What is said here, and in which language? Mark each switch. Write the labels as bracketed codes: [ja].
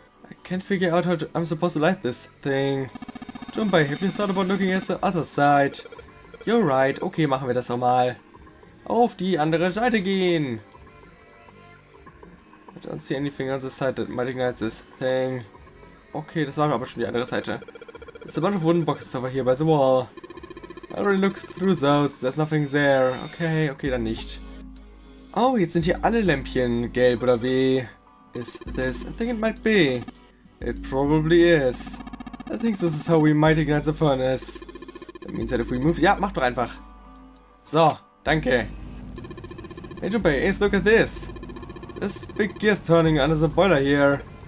[en] I can't figure out how to, I'm supposed to light this thing. Junpei, have you thought about looking at the other side? You're right. [de] Okay, machen wir das auch mal. Auf die andere Seite gehen. [en] I don't see anything on the side that might ignite this thing. [de] Okay, das war aber schon die andere Seite. [en] It's a bunch of wooden boxes over here by the wall. I already looked through those. There's nothing there. [de] Okay, okay, dann nicht. Oh, jetzt sind hier alle Lämpchen gelb oder wie? [en] Is this? I think it might be. It probably is. I think this is how we might ignite the furnace. That means that if we move... [de] Ja, mach doch einfach. [en] So, danke. Hey, Junpei, Ace, look at this. This big gear is turning under the boiler here.